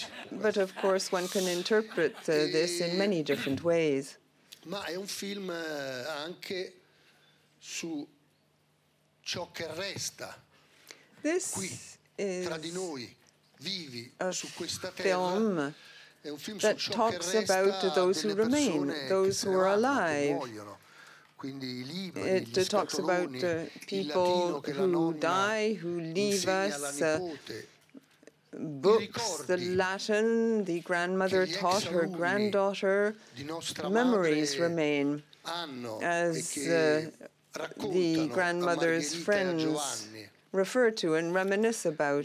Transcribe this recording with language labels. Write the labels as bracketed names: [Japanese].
[English] But of course, one can interpret this in many different ways. [Italian] Ma è un film anche su ciò che resta. [English] This is a film that talks about those who remain, those who are alive. It talks about people who die, who leave us, books, the Latin, the grandmother taught her granddaughter, memories remain, as the grandmother's friends refer to and reminisce about.